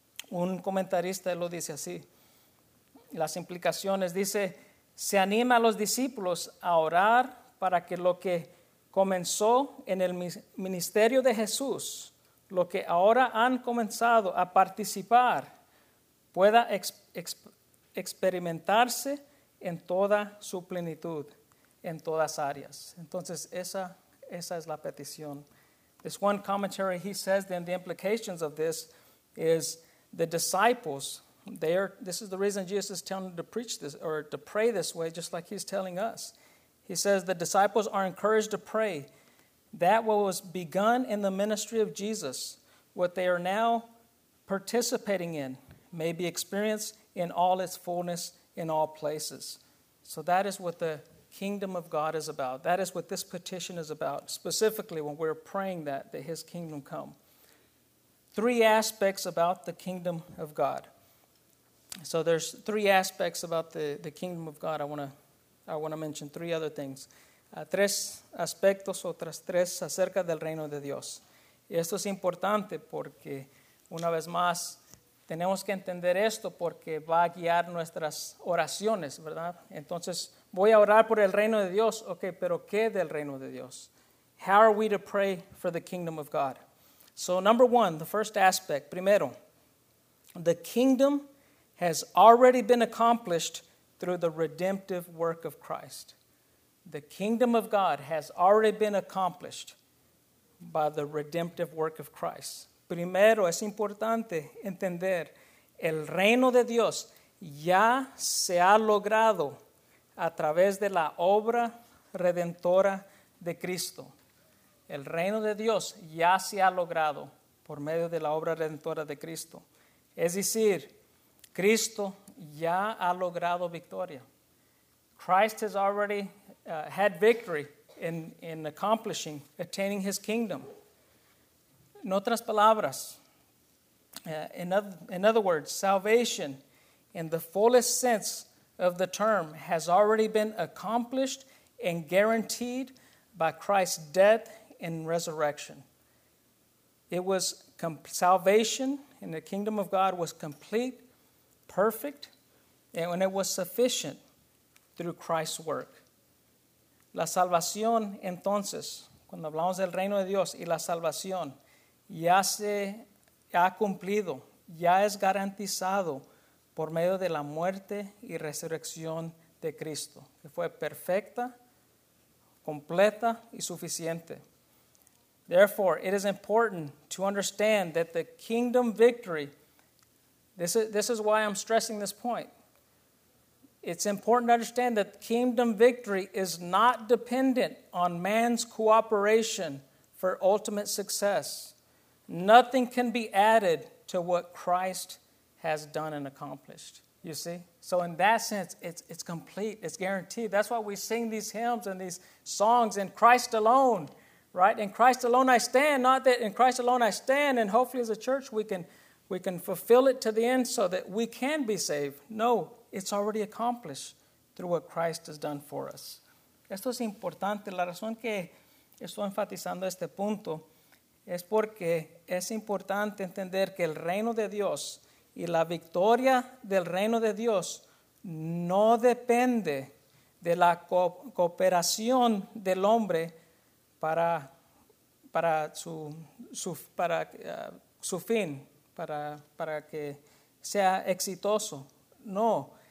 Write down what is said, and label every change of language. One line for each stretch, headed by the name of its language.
Spanish: Un comentarista lo dice así. Las implicaciones, dice, se anima a los discípulos a orar para que lo que comenzó en el ministerio de Jesús, lo que ahora han comenzado a participar, pueda experimentarse en toda su plenitud, en todas áreas. Entonces, esa es la petición.
English: This one commentary, he says, then the implications of this is the disciples, this is the reason Jesus is telling them to preach this or to pray this way, just like he's telling us. He says the disciples are encouraged to pray that what was begun in the ministry of Jesus, what they are now participating in, may be experienced in all its fullness in all places. So that is what the kingdom of God is about. That is what this petition is about, specifically when we're praying that his kingdom come. Three aspects about the kingdom of God. So there's three aspects about the kingdom of God. I want to mention three other things.
Spanish: Tres aspectos, otras tres, acerca del reino de Dios. Y esto es importante porque, una vez más, tenemos que entender esto porque va a guiar nuestras oraciones, ¿verdad? Entonces, voy a orar por el reino de Dios. Ok, pero ¿qué del reino de Dios?
English: How are we to pray for the kingdom of God? So, number one, the first aspect.
Spanish: Primero,
English: the kingdom has already been accomplished through the redemptive work of Christ. The kingdom of God has already been accomplished by the redemptive work of Christ.
Spanish: Primero, es importante entender, el reino de Dios ya se ha logrado a través de la obra redentora de Cristo. El reino de Dios ya se ha logrado por medio de la obra redentora de Cristo. Es decir, Cristo ya ha logrado victoria.
English: Christ has already had victory in accomplishing, attaining his kingdom.
Spanish: En otras palabras,
English: In other words, salvation, in the fullest sense of the term, has already been accomplished and guaranteed by Christ's death and resurrection. It was salvation in the kingdom of God was complete, perfect, and when it was sufficient through Christ's work. La salvación, entonces, cuando hablamos del reino de Dios y la salvación, ya se ha cumplido, ya es garantizado por medio de la muerte y resurrección de Cristo, que fue perfecta, completa y suficiente. Therefore, it is important to understand that the kingdom victory, this is why I'm stressing this point. It's important to understand that kingdom victory is not dependent on man's cooperation for ultimate success. Nothing can be added to what Christ has done and accomplished. You see? So in that sense, it's complete. It's guaranteed. That's why we sing these hymns and these songs in Christ alone. Right? In Christ alone I stand. Not that in Christ alone I stand. And hopefully as a church we can fulfill it to the end so that we can be saved. No. It's already accomplished through what Christ has done for us.
Spanish: Esto es importante. La razón que estoy enfatizando este punto es porque es importante entender que el reino de Dios y la victoria del reino de Dios no depende de la cooperación del hombre para su fin, para que sea exitoso. No.